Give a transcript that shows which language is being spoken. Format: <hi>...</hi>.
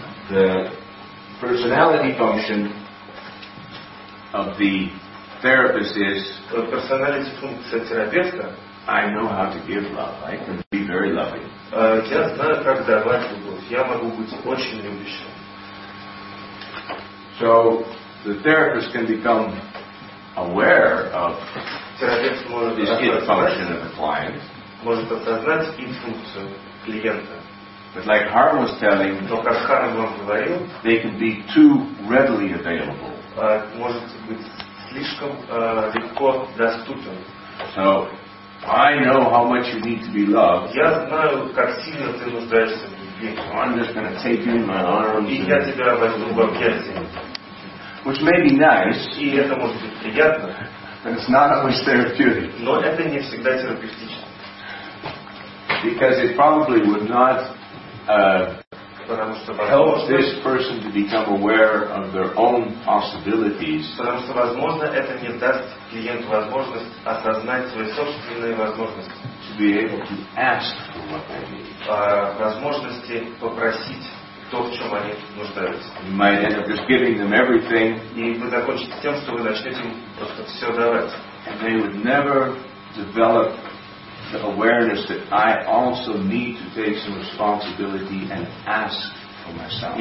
<en>The personality function of the therapist is.</en> <ru>Personality функция терапевта.</ru> <en>I know how to give love. I can be very loving.</en> <ru>Я знаю, как давать любовь. Я могу быть очень любящим.</ru> <en>So. The therapist can become aware of this id function of the client.</en> <ru>Может осознать id функцию клиента.</ru> <en>But like Harm was telling,</en> <ru>но как Харм вам говорил,</ru> <en>they can be too readily available.</en> <ru>Может быть слишком легко доступен.</ru> <en>So I know how much you need to be loved.</en> <ru>Я знаю, как сильно ты нуждаешься в любви.</ru> <en>I'm just going to take you in my arms.</en> <ru>И я тебя возьму в объятия.</ru> <en>Which may be nice,</en> <ru>и это может быть приятно,</ru> <en>but it's not always therapeutic.</en> <ru>Но это не всегда терапевтично.</ru> <en>Because it probably would not help this person to become aware of their own possibilities.</en> <ru>Потому что, возможно, это не даст клиенту возможность осознать свои собственные возможности.</ru> <en>To be able to ask for what they need.</en> <ru>Возможности попросить. То, в чем они нуждаются.</ru> <en>You might end up just giving them everything.</en> <ru>И вы закончите тем, что вы начнете им просто все давать.</ru> <en>And they would never develop the awareness that I also need to take some responsibility and ask for myself.</en>